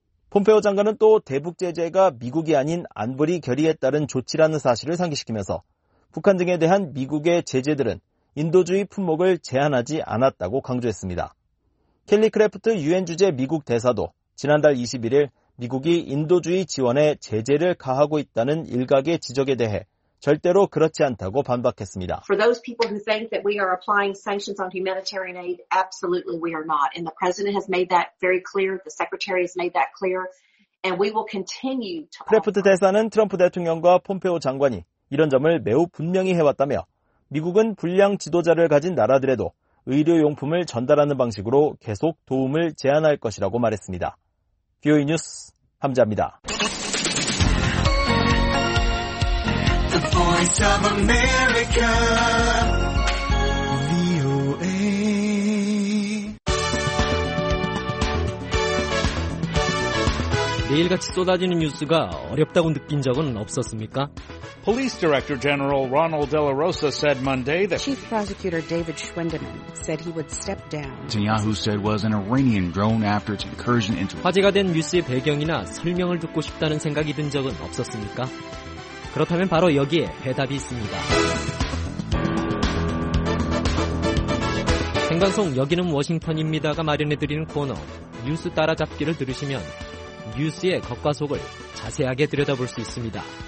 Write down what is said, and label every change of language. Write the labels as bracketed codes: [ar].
[ko] 폼페오 장관은 또 대북 제재가 미국이 아닌 안보리 결의에 따른 조치라는 사실을 상기시키면서 북한 등에 대한 미국의 제재들은 인도주의 품목을 제한하지 않았다고 강조했습니다. 켈리 크래프트 유엔 주재 미국 대사도 지난달 21일 미국이 인도주의 지원에 제재를 가하고 있다는 일각의 지적에 대해 절대로 그렇지 않다고 반박했습니다. [en] For those people who think that we are applying sanctions on humanitarian aid, absolutely we are not. And the president has made that very clear. The secretary has made that clear. And we will continue to. [ko] 크래프트 대사는 트럼프 대통령과 폼페오 장관이 이런 점을 매우 분명히 해왔다며 미국은 불량 지도자를 가진 나라들에도 의료용품을 전달하는 방식으로 계속 도움을 제안할 것이라고 말했습니다. VOA 뉴스 함자입니다. [en] Voice of America, VOA. [ko] 매일같이 쏟아지는 뉴스가 어렵다고 느낀 적은 없었습니까? [en] Police Director General Ronald De La Rosa said Monday that Chief Prosecutor David Schwendeman said he would step down. Netanyahu said was an Iranian drone after its incursion into [ko] 화제가 된 뉴스의 배경이나 설명을 듣고 싶다는 생각이 든 적은 없었습니까? 그렇다면 바로 여기에 해답이 있습니다. 생방송 여기는 워싱턴입니다가 마련해드리는 코너 뉴스 따라잡기를 들으시면 뉴스의 겉과 속을 자세하게 들여다볼 수 있습니다.